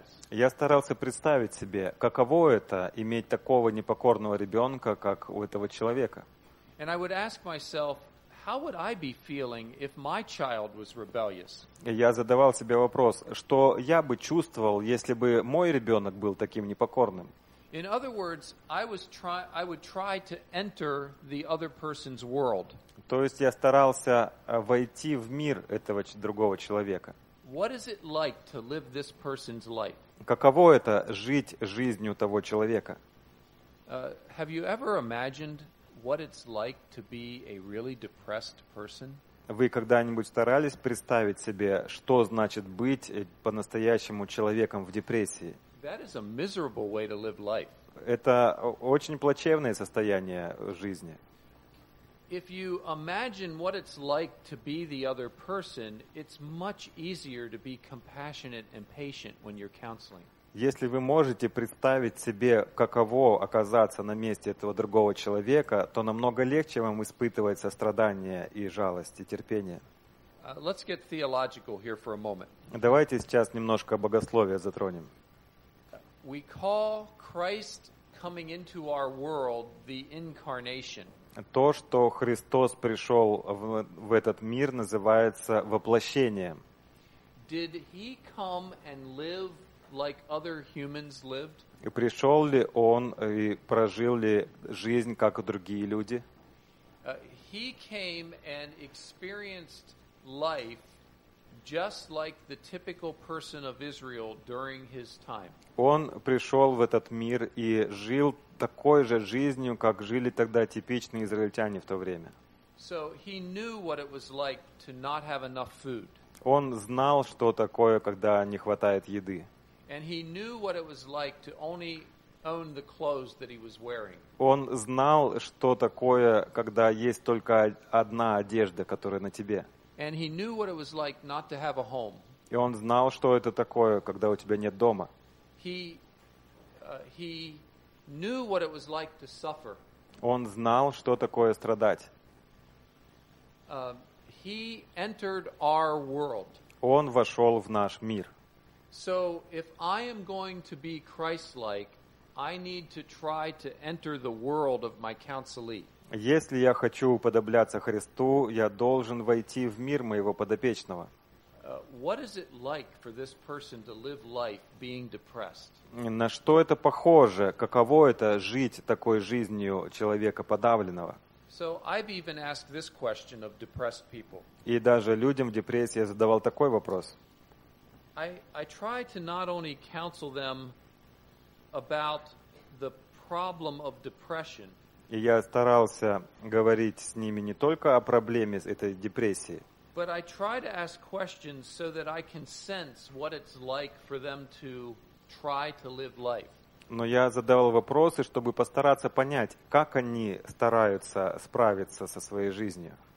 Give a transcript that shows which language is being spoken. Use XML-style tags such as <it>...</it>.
<ru>Я старался представить себе, каково это иметь такого непокорного ребенка, как у этого человека.</ru> <en>And I would ask myself, how would I be feeling if my child was rebellious?</en> <ru>Я задавал себе вопрос, что я бы чувствовал, если бы мой ребенок был таким непокорным?</ru> <en>In other words, I would try to enter the other person's world.</en> <ru>То есть я старался войти в мир этого другого человека.</ru> <en>What is it like to live this person's life?</en> <ru>Каково это жить жизнью того человека?</ru> <en>Have you ever imagined what it's like to be a really depressed person?</en> <ru>Вы когда-нибудь старались представить себе, что значит быть по-настоящему человеком в депрессии?</ru> <en>That is a miserable way to live life.</en> <ru>Это очень плачевное состояние жизни.</ru> <en>If you imagine what it's like to be the other person, it's much easier to be compassionate and patient when you're counseling.</en> <ru>Если вы можете представить себе, каково оказаться на месте этого другого человека, то намного легче вам испытывать сострадание и жалость, и терпение.</ru> <en>Let's get theological here for a moment.</en> <ru>Давайте сейчас немножко богословие затронем.</ru> <en>We call Christ coming into our world the incarnation.</en> <ru>То, что Христос пришел в этот мир, называется воплощением.</ru> <en>Did he come and live like other humans lived?</en> <ru>И пришел ли он и прожил ли жизнь, как и другие люди?</ru> <en>He came and experienced life just like the typical person of Israel during his time.</en> <ru>Он пришел в этот мир и жил такой же жизнью, как жили тогда типичные израильтяне в то время.</ru> <en>So he knew what it was like to not have enough food.</en> <ru>Он знал, что такое, когда не хватает еды.</ru> <en>And he knew what it was like to only own the clothes that he was wearing.</en> <ru>Он знал, что такое, когда есть только одна одежда, которая на тебе.</ru> <en>And he knew what it was like not to have a home.</en> <ru>И он знал, что это такое, когда у тебя нет дома.</ru> <en>He knew what it was like to suffer.</en> <ru>Он знал, что такое страдать.</ru> <en>He entered our world.</en> <ru>Он вошел в наш мир.</ru> <en>So if I am going to be Christ-like, I need to try to enter the world of my counselee.</en> <ru>Если я хочу уподобляться Христу, я должен войти в мир моего подопечного.</ru> <en>What is it like for this person to live life being depressed?</en> <ru>На что это похоже? Каково это жить такой жизнью человека подавленного?</ru> <en>So I've even asked this question of depressed people.</en> <ru>И даже людям в депрессии я задавал такой вопрос.</ru> <en>I try to not only counsel them about the problem of depression.</en> <ru>И я старался говорить с ними не только о проблеме этой депрессии.</ru> <en>But I try to ask questions so that I can sense what it's like for them to try to live life.</en> <ru>Но я задавал вопросы, чтобы постараться понять, как они стараются справиться со своей жизнью.</ru>